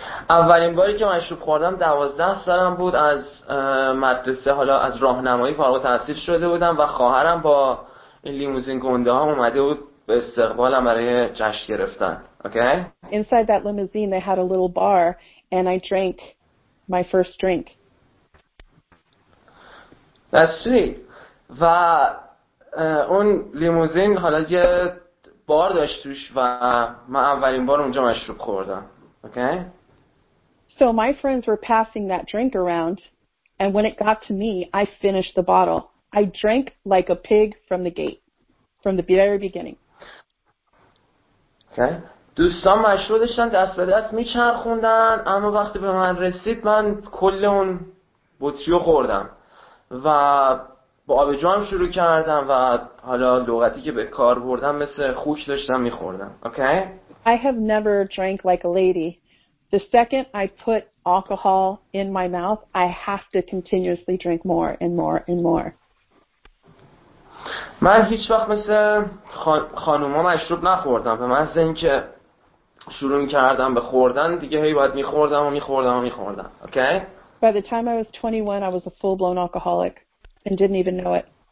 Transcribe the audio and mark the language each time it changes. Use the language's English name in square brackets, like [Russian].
[Persian] اولین باری که مشروب خوردم 12 سالم بود، از مدرسه، حالا از راهنمایی فارغ التحصیل شده بودم و خواهرم با این لیموزین گنده ها اومده بود به استقبالم برای جشن گرفتن. [English] Okay? Inside that limousine they had a little bar and I drank my first drink. That's sweet. [Persian] و اون لیموزین حالا یه بار داشت توش و من اولین بار اونجا مشروب خوردم. [English] Okay. So my friends were passing that drink around, and when it got to me, I finished the bottle. I drank like a pig from the gate, from the very beginning. Okay. [Persian] دوستان مشروع داشتن دست به دست میچرخوندن، اما وقتی به من رسید من کل اون بطریو خوردم و با آبجو هم شروع کردم و حالا لغتی که به کار بردم مثل خوک داشتم میخوردم. [English] Okay. I have never drank like a lady. The second I put alcohol in my mouth, I have to continuously drink more and more and more. [Persian] من هیچ وقت مثل خانوما مشروب نخوردم. به محض اینکه شروع کردم به خوردن دیگه هی باید میخوردم و میخوردم و میخوردم. [English] Okay? By the time I was 21, I was a full-blown alcoholic and didn't even know it.